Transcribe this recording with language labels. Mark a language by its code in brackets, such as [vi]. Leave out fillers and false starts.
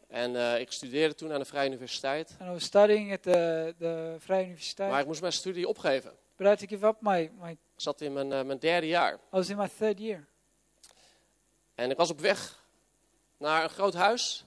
[nl] En ik studeerde toen aan de Vrije Universiteit. [en] And I was studying at the Vrije Universiteit. [nl] Maar ik moest mijn studie opgeven. [en] But I had to give up my. [nl] Ik zat in mijn derde jaar. [en] I was in my third year. [nl] En ik was op weg naar een groot huis.